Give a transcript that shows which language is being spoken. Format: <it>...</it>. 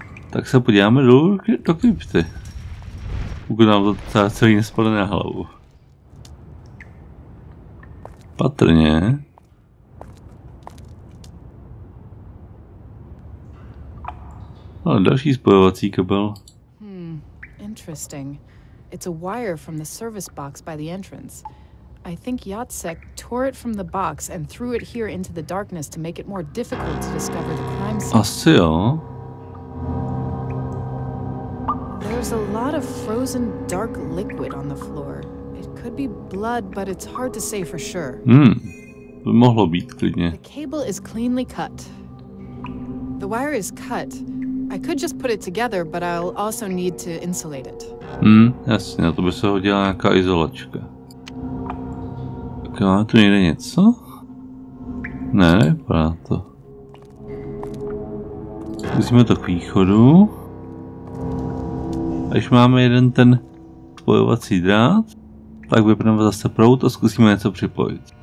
<cs>Tak se podíváme dolů do krypty. pokud nám to celý nespadne na hlavu. Patrně. Ale další spojovací kabel.</cs> <en>Interesting. It's a wire from the service box by the entrance. I think Jacek tore it from the box and threw it here into the darkness to make it more difficult to discover the crime scene.</en> <cs>Asi jo.</cs> <en>There's a lot of frozen dark liquid on the floor. It could be blood, but it's hard to say for sure.</en> <cs>By mohlo být klidně.</cs> <en>The cable is cleanly cut. The wire is cut. I could just put it together, but I'll also need to insulate it.</en> <cs>Jasně, to by se hodila nějaká izolačka. Tak máme tu někde něco? Ne, nevypadá to. Musíme to k východu. Až máme jeden ten spojovací drát, tak vypneme zase prout a zkusíme něco připojit.</cs>